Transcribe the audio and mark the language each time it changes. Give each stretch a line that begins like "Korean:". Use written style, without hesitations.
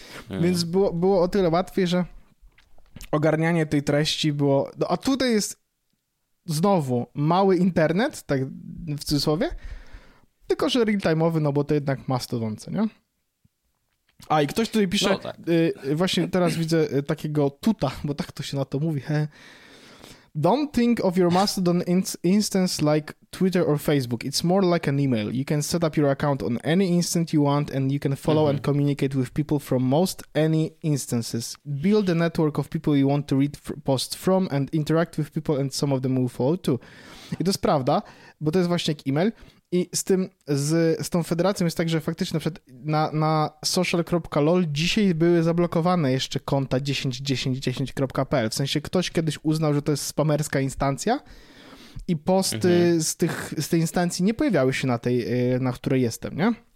Polish: Więc było o tyle łatwiej, że ogarnianie tej treści było... No, a tutaj jest znowu mały internet, tak w cudzysłowie, tylko że real-time'owy, no bo to jednak Mastodon, nie? A, i ktoś tutaj pisze, właśnie teraz widzę takiego tuta, bo tak to się na to mówi.
English: Don't think of your Mastodon instance like Twitter or Facebook. It's more like an email. You can set up your account on any instance you want and you can follow and communicate with people from most any instances. Build a network of people you want to read posts from and interact with people and some of them will follow too.
Polish: I to jest prawda, bo to jest właśnie jak email. I z tą federacją jest tak, że faktycznie na social.lol dzisiaj były zablokowane jeszcze konta 10.10.10.pl. W sensie ktoś kiedyś uznał, że to jest spamerska instancja i posty z tej instancji nie pojawiały się na tej, na której jestem, nie?